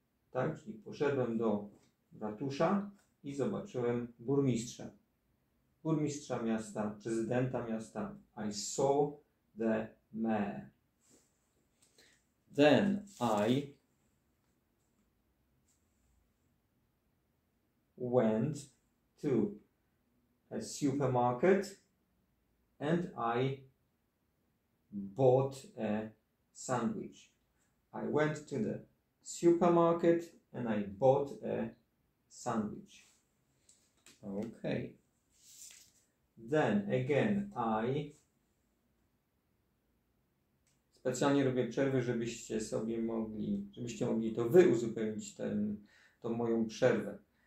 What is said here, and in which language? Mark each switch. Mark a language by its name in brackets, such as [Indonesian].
[Polish] Tak, czyli poszedłem do ratusza i zobaczyłem burmistrza. Burmistrza miasta, prezydenta miasta. [English] I saw the mayor. Then I went to a supermarket and I bought a sandwich. I went to the supermarket and I bought a sandwich. Okay. Then again I [Polish] specjalnie robię przerwy, żebyście mogli to wy uzupełnić tą moją przerwę.